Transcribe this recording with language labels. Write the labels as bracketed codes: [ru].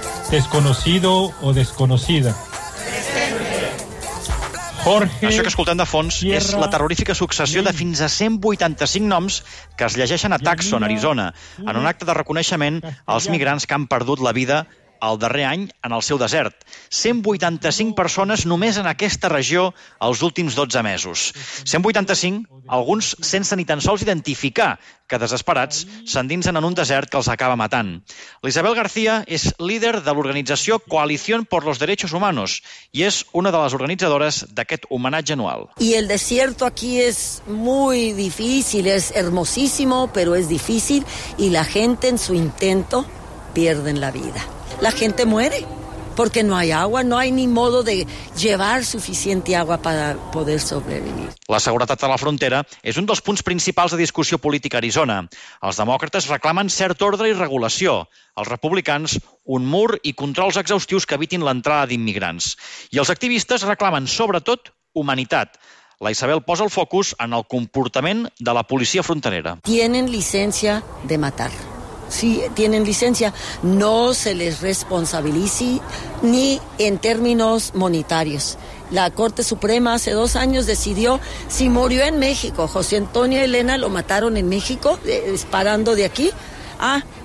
[es] Desconocido o desconocida. Jorge. [ca] Això que escoltem de fons és la terrorífica successió de fins a 185 noms que es llegeixen a Tucson, Arizona, en un acte de reconeixement als migrants que han perdut la vida el darrer any en el seu desert. 185 persones només en aquesta regió els últims 12 mesos. 185, alguns sense ni tan sols identificar, que desesperats s'endinsen en un desert que els acaba matant. L'Isabel García és líder de l'organització Coalición por los Derechos Humanos i és una de les organitzadores d'aquest homenatge anual. [es] Y el desierto aquí es muy difícil, es hermosísimo, pero es difícil y la gente en su intento pierden la vida. La gente muere porque no hay agua, no hay ni modo de llevar suficiente agua para poder sobrevivir. [ca] La seguretat a la frontera és un dels punts principals de discussió política a Arizona. Els demòcrates reclamen cert ordre i regulació. Els republicans, un mur i controls exhaustius que evitin l'entrada d'immigrants. I els activistes reclamen, sobretot, humanitat. La Isabel posa el focus en el comportament de la policia fronterera. [es] Tienen licencia de matar. Sí, tienen licencia, no se les responsabilice ni en términos monetarios. La Corte Suprema hace 2 años decidió si murió en México. José Antonio y Elena lo mataron en México, disparando de aquí. Ah,